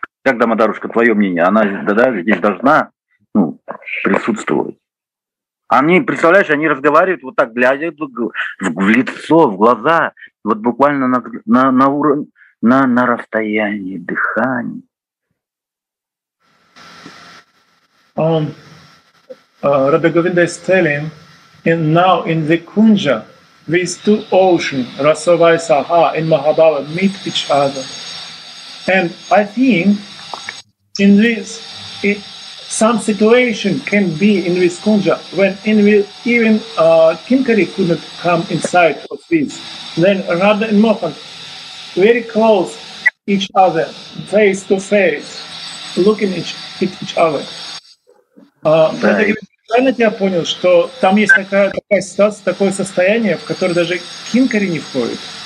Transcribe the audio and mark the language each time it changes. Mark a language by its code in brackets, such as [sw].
[ru] Как, Дамодарушка, твое мнение, она да, здесь должна присутствовать. Они, представляешь, они разговаривают вот так, глядя в лицо, в глаза, вот буквально на расстоянии дыхания. [en] Rabbi Govinda is telling, and now in the Kunja, these two oceans, Rasavaisaha and Mahabhava, meet each other. And I think in this, some situation can be in this kunja when Kinkari couldn't come inside of this. Then Radha and Mohan, very close each other, face to face, looking at each other. [ru] Правильно я понял, что там есть такая ситуация, такое состояние, в которое даже Кинкари не входит?